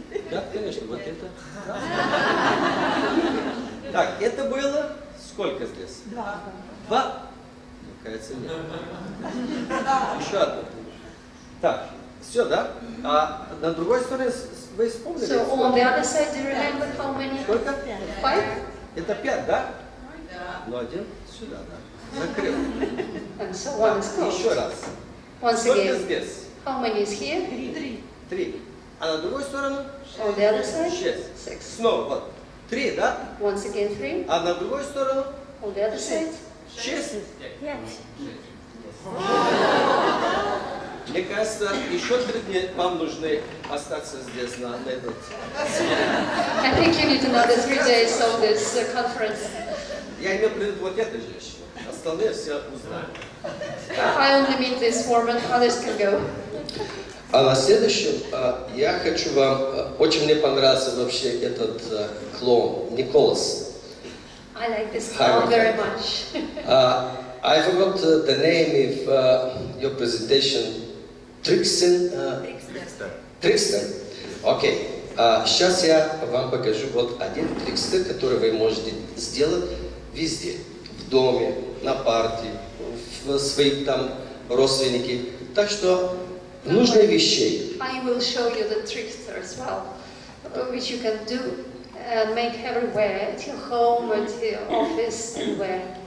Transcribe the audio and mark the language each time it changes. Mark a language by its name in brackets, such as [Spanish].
[Russian] Да, конечно, вот это. Так, это было сколько здесь? Два. Два? Ну, кажется, нет. Еще одно. Так. Все, да? А на другой стороне вы вспомнили? [English] So on the other side, do you remember how many? [Russian] Сколько? [English] Five. [Russian] Это пять, да? Да. Ну один сюда, да. Закрыл. [English] And so one is closed. [Russian] Еще раз. [English] Once again. [Russian] Сколько здесь? [English] How many is here? [Russian] Три. Три. А на другой стороне? [English] On the other side. [Russian] Шесть. [English] Six. [Russian] Снова вот три, да? [English] Once again three. [Russian] А на другой стороне? [English] On the other side. [Russian] Шесть. Мне кажется, еще три дня вам нужны остаться здесь на этот. [English] I think you need another 3 days of this conference. [Russian] Я имею в виду вот эту женщину. Остальные все узнают. [English] If I only meet this woman, others can go. [Russian] А на следующем я хочу вам очень мне понравился вообще этот клоун Николас. [English] I like this clown very much. I forgot the name of your presentation. Trickson? Trickster. Okay. [Russian] Сейчас я вам покажу вот один трикстер, который вы можете сделать везде. В доме, на парте, в своих там родственники. Так что нужные вещи. [English] I will show you the trickster as well, which you can do. And make everywhere, at your home, at your office, anywhere.